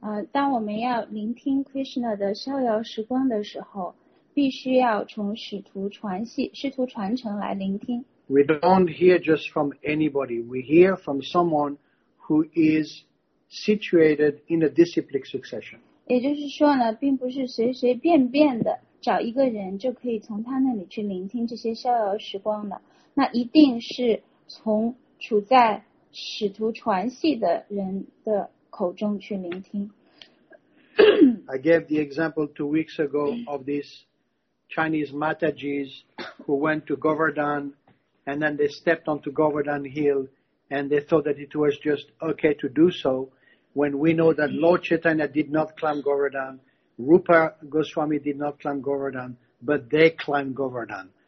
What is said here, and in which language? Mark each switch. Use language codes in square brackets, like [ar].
[zh] 当我们要聆听 Krishna 的逍遥时光的时候，必须要从使徒传系、师徒传承来聆听。 [en] We don't hear just from anybody. We hear from someone who is situated in a disciplic succession. [zh] 也就是说呢，并不是随随便便的找一个人就可以从他那里去聆听这些逍遥时光的，那一定是从处在使徒传系的人的口中去聆听。 [en] I gave the example 2 weeks ago of these Chinese Matajis who went to Govardhan, and then they stepped onto Govardhan Hill, and they thought that it was just okay to do so, when we know that Lord Chaitanya did not climb Govardhan, Rupa Goswami did not climb Govardhan, but they climbed Govardhan.